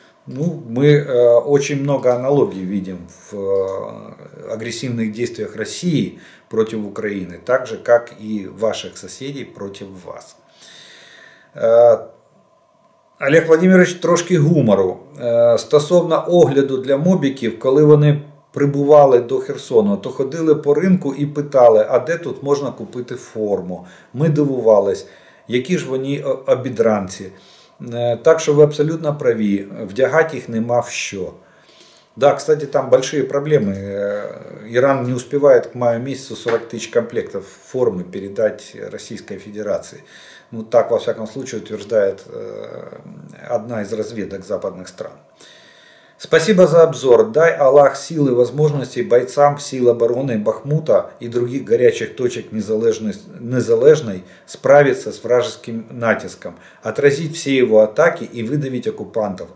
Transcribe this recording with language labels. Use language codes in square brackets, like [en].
[ru] Ну, мы очень много аналогий видим в агрессивных действиях России против Украины, так же, как и ваших соседей против вас. [uk] Олег Владимирович, трошки гумору. Стосовно огляду для мобіків, коли вони прибували до Херсону, то ходили по ринку і питали, а де тут можна купити форму. Ми дивувались, які ж вони обідранці. Так що ви абсолютно праві, вдягати їх нема в що. [ru] Да, кстати, там большие проблемы. [uk] Іран [ru] не успевает к маю [uk] місяцю 40 тисяч комплектів форми передати Російській Федерації. [ru] Ну так, во всяком случае, утверждает одна из разведок западных стран. Спасибо за обзор. Дай Аллах силы и возможности бойцам сил обороны Бахмута и других горячих точек незалежной справиться с вражеским натиском, отразить все его атаки и выдавить оккупантов.